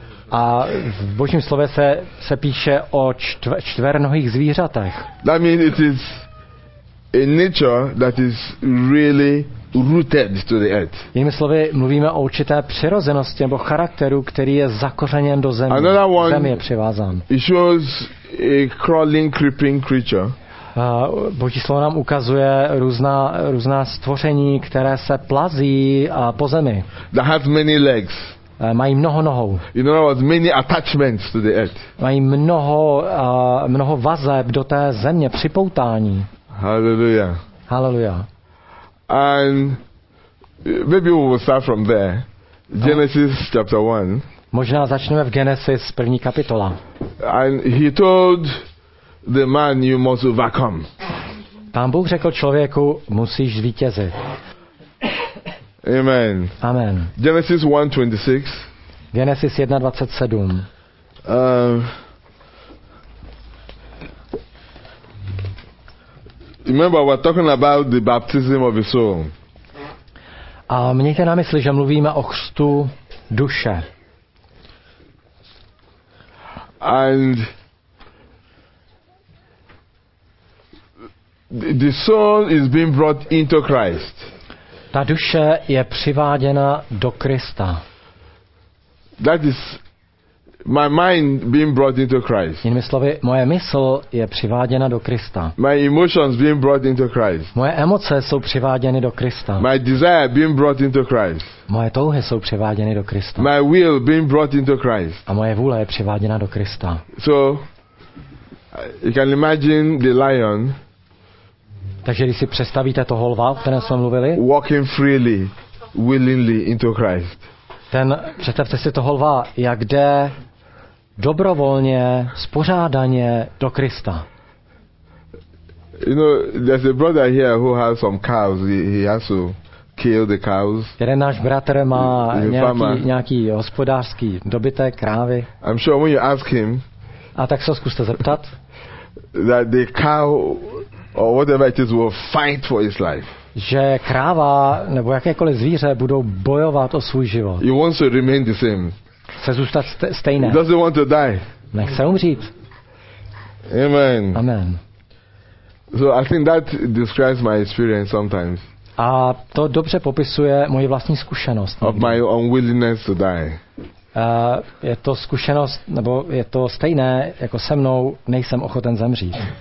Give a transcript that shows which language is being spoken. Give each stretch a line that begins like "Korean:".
Czech: A v Božím slově se píše o čtvernohých zvířatech.
English: That means it is a nature that is really rooted to the earth.
Czech: Jinými slovy, mluvíme o určité přirozenosti nebo charakteru, který je zakořeněn do země.
English: Another one,
Czech: zemi je přivázán.
English: It shows a crawling, creeping creature.
Czech: Boží slovo nám ukazuje různá stvoření, které se plazí po zemi.
English: That has many legs.
Czech: Mají mnoho nohou.
English: In other words, many attachments to the earth.
Czech: Mají mnoho vazeb do té země, připoutání.
English: Hallelujah.
Czech: Hallelujah.
English: And maybe we will start from there. Genesis chapter 1.
Czech: Možná začneme v Genesis první kapitola.
English: And he told the man, you must overcome.
Czech: Pán Bůh řekl člověku, musíš zvítězit.
English: Amen.
Czech: Amen.
English: Genesis 1:26. Genesis 1:27. Remember, we're talking about the baptism of the soul.
Czech: A mějte na mysli, že mluvíme o chřtu duše.
English: And the soul is being brought into Christ.
Czech: Ta duše je přiváděna do Krista.
English: That is my mind being brought into Christ.
Czech: Jinými slovy, moje mysl je přiváděna do Krista.
English: My emotions being brought into Christ.
Czech: Moje emoce jsou přiváděny do Krista.
English: My desire being brought into Christ.
Czech: Moje touhy jsou přiváděny do Krista.
English: My will being brought into Christ.
Czech: A moje vůle je přiváděna do Krista.
English: So you can imagine the lion.
Czech: Takže když si představíte toho lva, o kterém jsme mluvili.
English: Walking freely, willingly into Christ.
Czech: Ten, představte si toho lva, jak jde dobrovolně, spořádaně do Krista.
English: You know, there's a brother here who has some cows. He has to kill the cows.
Czech: Jeden náš bratr má nějaký hospodářský dobytek, krávy.
English: I'm sure when you ask him.
Czech: A tak se ho zkuste zeptat.
English: That the cow or whatever it is will fight for his life.
Czech: Že kráva nebo jakékoliv zvíře budou bojovat o svůj život.
English: He wants to remain the same.
Czech: Chce zůstat stejné.
English: He doesn't want to die.
Czech: Nechce umřít.
English: Amen.
Czech: Amen.
English: So I think that describes my experience sometimes.
Czech: A to dobře popisuje moji vlastní zkušenost.
English: Of my unwillingness to die.
Czech: Je to zkušenost nebo je to stejné jako se mnou, nejsem ochoten zemřít.